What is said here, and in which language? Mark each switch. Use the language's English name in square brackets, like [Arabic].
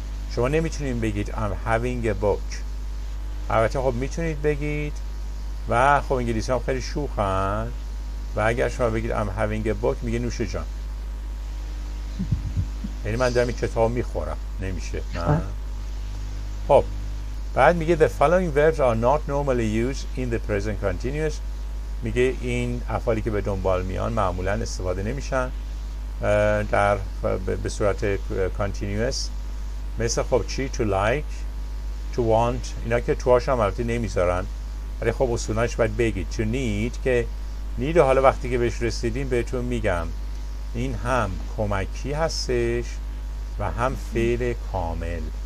[Persian] شما نمیتونین بگید [English] I'm having a book. [Persian] البته خب میتونید بگید و خب انگلیسی هم خیلی شوخن و اگر شما بگید [English] I'm having a book [Persian] میگه نوشه جان، یعنی من دارم این کتاب میخورم. نمیشه نه. خب بعد میگه [English] the following verbs are not normally used in the present continuous. [Persian] میگه این افعالی که به دنبال میان معمولا استفاده نمیشن در به صورت continuous. مثل خب چی؟ to like، to want اینا که تو هاش هم البته نمیذارن، ولی خب اصولاش باید بگید to need، که need حالا وقتی که بهش رسیدیم بهتون میگم این هم کمکی هستش و هم فعل کامل.